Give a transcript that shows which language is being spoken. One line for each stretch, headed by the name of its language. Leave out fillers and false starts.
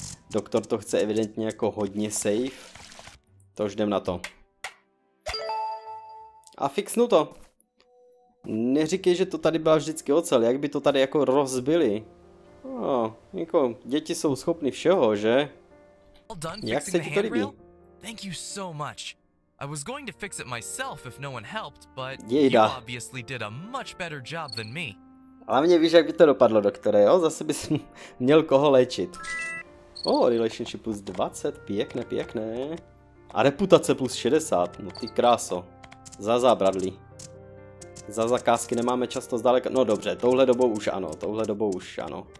Czech: Doktor to chce evidentně jako hodně safe. To už jdem na to. A fixnu to. Neříkej, že to tady byla vždycky ocel, jak by to tady jako rozbili. No, jako děti jsou schopny všeho, že?
English: Well done,
Czech: jak se ti to líbí?
English: Thank you so much. I was going to fix it myself if no one helped, but
Czech: jejda.
English: You obviously did a much better job than me.
Czech: Ale mě víš, jak by to dopadlo, doktore, jo? Zase bys měl koho léčit.
English: Oh, relationship plus 20,
Czech: pěkné, pěkné. A reputace plus 60, no ty kráso. Za zábradlí. Za zakázky nemáme často zdaleka. No dobře, touhle dobou už ano, touhle dobou už ano.